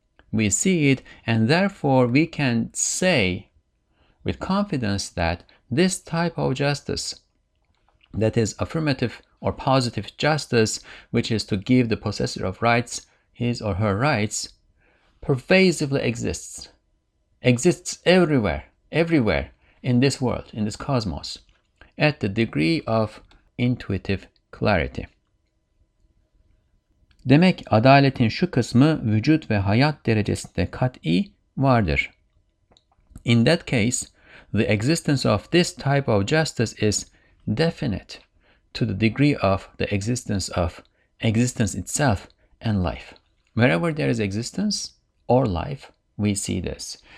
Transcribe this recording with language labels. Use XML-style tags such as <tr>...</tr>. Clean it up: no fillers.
<en>We see it, and therefore we can say with confidence that this type of justice, that is affirmative or positive justice, which is to give the possessor of rights his or her rights, pervasively exists. Exists everywhere, everywhere in this world, in this cosmos, at the degree of intuitive clarity.</en> <tr>Demek adaletin şu kısmı vücut ve hayat derecesinde kat'i vardır.</tr> <en>In that case, the existence of this type of justice is definite to the degree of the existence of existence itself and life. Wherever there is existence or life, we see this.</en>